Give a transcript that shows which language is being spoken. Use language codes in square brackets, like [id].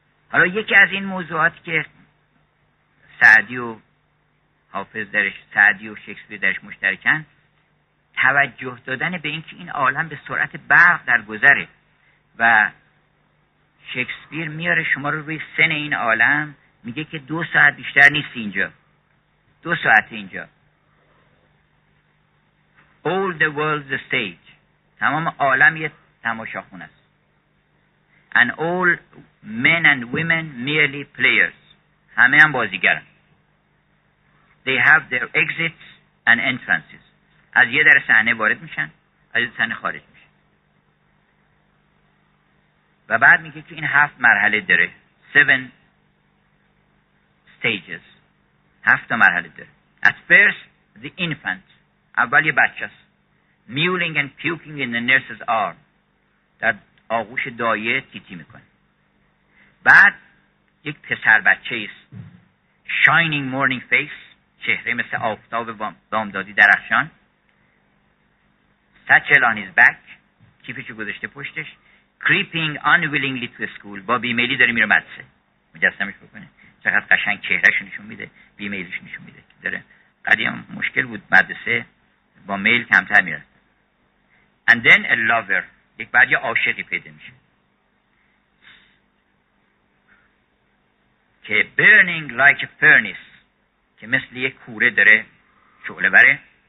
[fa] حالا یکی از این موضوعات که سعدی و حافظ درش، سعدی و شکسپیر درش مشترکن، توجه دادن به این که این عالم به سرعت برق در گذره و شکسپیر میاره شما رو روی سن این عالم، میگه که 2 ساعت بیشتر نیست اینجا، 2 ساعت اینجا. [en] All the world's a stage، [fa] تمام عالم یه تماشاخونه است. [en] And all men and women merely players، همه هم بازیگرن. They have their exits and entrances، [fa] از یه در صحنه وارد میشن، از یه در صحنه خارج میشن. و بعد میگه که این 7 مرحله داره، 7 stages، 7 مرحله داره. [en] At first the infant، [fa] اول یه بچه است. [en] Mewling and puking in the nurse's arm، [fa] در آغوش دایه تیتی میکنه. بعد یک پسر بچه است. [en] Shining morning face، [fa] چهره مثل آفتاب بامدادی درخشان. [en] Satchel on his back، [fa] کیفشو گذاشته پشتش. [en] Creeping unwillingly to school، [fa] با بیمیلی داره میره مدرسه. مجسمش بکنه چقدر قشنگ چهرهشو نشون میده، بیمیلش نشون میده داره. قدیم مشکل بود مدرسه، با میل کمتر میره. [en] And then a lover، [fa] یک بعد یه عاشقی پیدا میشه که [en] burning like a furnace، [fa] که مثل یک کوره داره شعله بره.